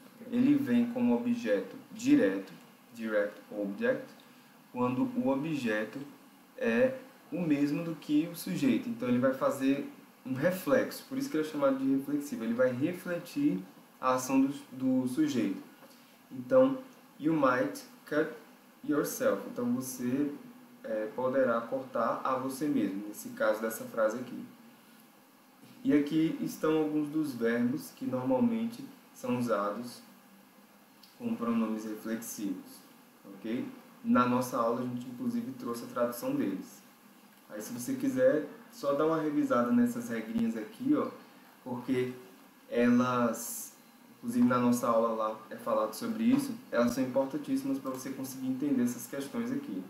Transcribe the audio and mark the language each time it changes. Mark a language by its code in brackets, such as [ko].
[pt] Ele vem como objeto direto, direct object, quando o objeto é o mesmo do que o sujeito. Então, ele vai fazer um reflexo, por isso que ele é chamado de reflexivo. Ele vai refletir a ação do sujeito. [en] Então, you might cut yourself. [pt] Então, você poderá cortar a você mesmo, nesse caso dessa frase aqui. E aqui estão alguns dos verbos que normalmente são usados com pronomes reflexivos, ok? Na nossa aula a gente inclusive trouxe a tradução deles. Aí se você quiser, só dá uma revisada nessas regrinhas aqui, ó, porque elas, inclusive na nossa aula lá é falado sobre isso, elas são importantíssimas para você conseguir entender essas questões aqui.